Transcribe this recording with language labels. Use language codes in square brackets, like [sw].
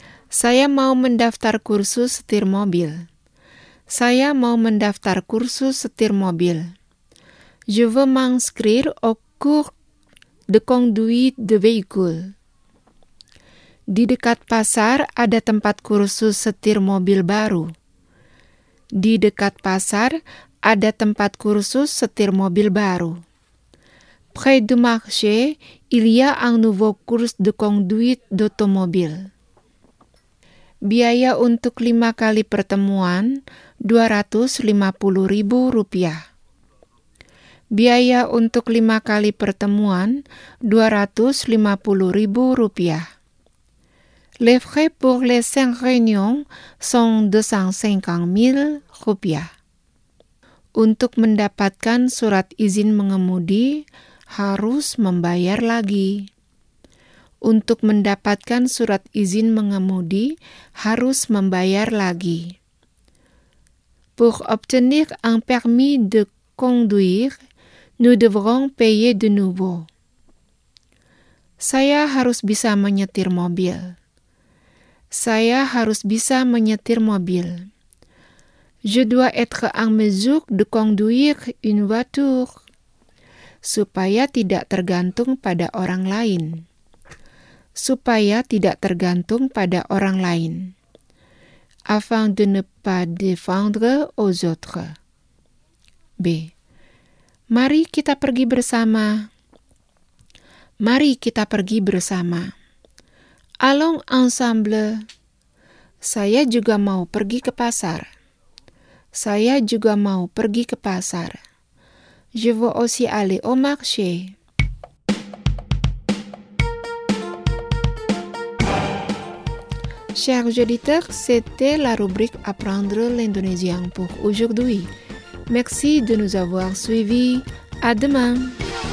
[id] Saya mau mendaftar kursus setir mobil. Saya mau mendaftar kursus setir mobil. [fr] Je veux m'inscrire au cours de conduite de véhicule. [id] Di dekat pasar ada tempat kursus setir mobil baru. Di dekat pasar ada tempat kursus setir mobil baru. [fr] Près du marché, il y a un nouveau cours de conduite d'automobile. [id] Biaya untuk 5 kali pertemuan Rp250.000. Biaya untuk 5 kali pertemuan Rp250.000. [fr] Les frais pour les 5 réunions sont Rp250.000. [id] Untuk mendapatkan surat izin mengemudi harus membayar lagi. Untuk mendapatkan surat izin mengemudi harus membayar lagi. [fr] Pour obtenir un permis de conduire, nous devrons payer de nouveau. [id] Saya harus bisa menyetir mobil. Saya harus bisa menyetir mobil. [fr] Je dois être en mesure de conduire une voiture. [id] Supaya tidak tergantung pada orang lain. Supaya tidak tergantung pada orang lain. [fr] Afin de ne pas défendre aux autres. [id] B. Mari kita pergi bersama. Mari kita pergi bersama. [fr] Allons ensemble. [id] Saya juga mau pergi ke pasar. Saya juga mau pergi ke pasar. [fr] Je veux aussi aller au marché. Chers auditeurs, c'était la rubrique Apprendre l'indonésien pour aujourd'hui. Merci de nous avoir suivis. À demain!